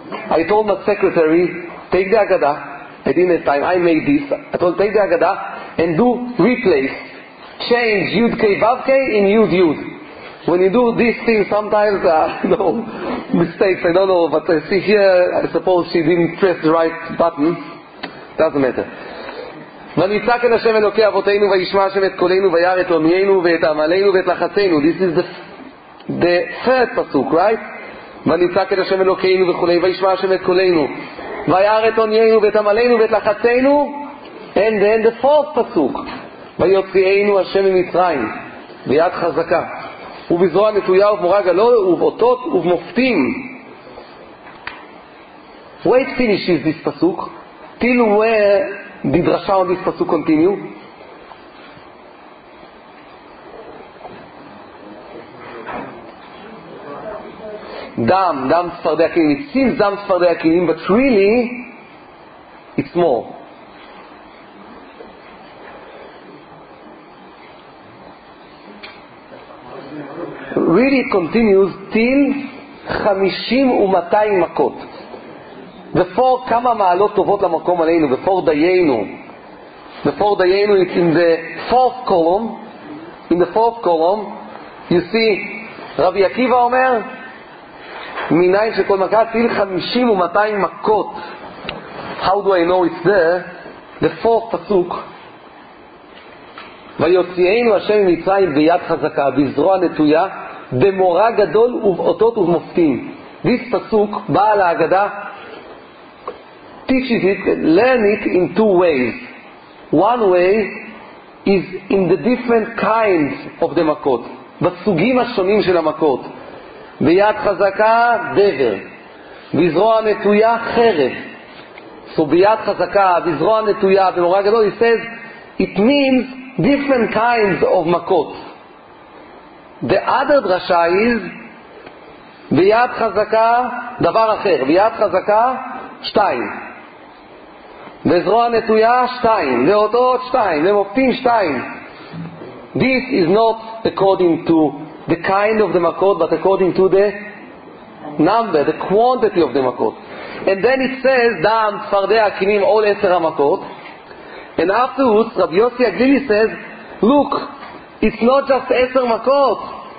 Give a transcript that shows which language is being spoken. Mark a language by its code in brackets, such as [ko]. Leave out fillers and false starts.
[en] I told my secretary, take the Agadah. I didn't have time, I made this. I told, take the Agadah and do replace. Change Yud Kei Vav Kei in Yud Yud. When you do this thing, sometimes, no mistakes, I don't know, but I see here, I suppose she didn't press the right button. Doesn't matter. [he] ונצעק אל השם אלוקי אבותינו וישמע השם את קולנו וירא את עוניינו ואת עמלנו ואת לחצינו. [en] This is the third pasuk, right? [he] ונצעק את השם אלוקינו וכולי, וישמע השם את קולנו, וירא את עוניינו ואת עמלנו ואת לחצנו, [en] and then the fourth [he] פסוק, ויוציאנו השם ממצרים, ביד חזקה, ובזרוע נטויה ובמורה גלה, ובאותות ובמופתים. [en] Where it finishes this פסוק? Till where did Rasha on this פסוק continue? [he] Dam, dam tzfardei hakinim. [en] It seems [he] dam tzfardei hakinim, [en] but really, it's more. Really it continues till [he] 50 ו-200 מכות. [en] Before [he] כמה מעלות טובות למקום עלינו, [en] before דיינו, it's in the fourth column. In the fourth column, you see, [he] רבי עקיבא אומר, מיניים שכל מכה תהיל 50 ו-200 מכות. [en] How do I know it's there? The fourth [he] פסוק, ויוציאנו השם ממצרים ביד חזקה, בזרוע נטויה, במורה גדול ובאותות ומופתים. [en] This פסוק [he] בא על ההגדה, [en] teaches it, learn it in two ways. One way is in the different kinds of the מכות, [he] בסוגים השונים של המכות. ביד חזקה דבר, בזרוע נטויה חרב. [en] So [he] ביד חזקה, בזרוע נטויה, במורה גדול, [en] he says it means different kinds of מכות. The other drasha is [he] ביד חזקה דבר אחר, ביד חזקה שתיים, בזרוע נטויה שתיים, ואותות שתיים, ומופתים שתיים. [en] This is not according to the kind of the makot, but according to the number, the quantity of the makot. And then it says, [he] Dam, Tzfardei HaKinim, [en] all 10 makot. And afterwards, Rabbi Yossi Aglili says, look, it's not just 10 makot.